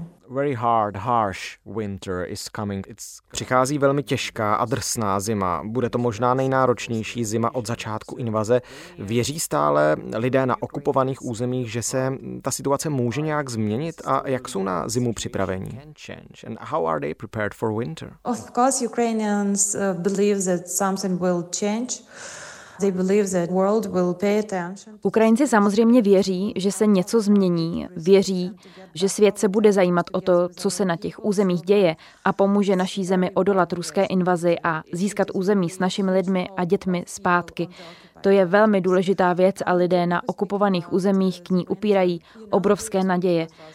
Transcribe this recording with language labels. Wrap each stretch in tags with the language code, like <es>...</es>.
<en>Very hard, harsh winter is coming.</en> <cs>Přichází velmi těžká a drsná zima. Bude to možná nejnáročnější zima od začátku invaze. Věří stále lidé na okupovaných územích, že se ta situace může nějak změnit a jak jsou na zimu připraveni?</cs> <en>And how are they prepared for winter? Of course, Ukrainians believe that something will change. They believe that world will pay attention.</en> <cs>Ukrajinci samozřejmě věří, že se něco změní, věří, že svět se bude zajímat o to, co se na těch územích děje a pomůže naší zemi odolat ruské invazi a získat území s našimi lidmi a dětmi zpátky. To je velmi důležitá věc a lidé na okupovaných územích k ní upírají obrovské naděje.</cs>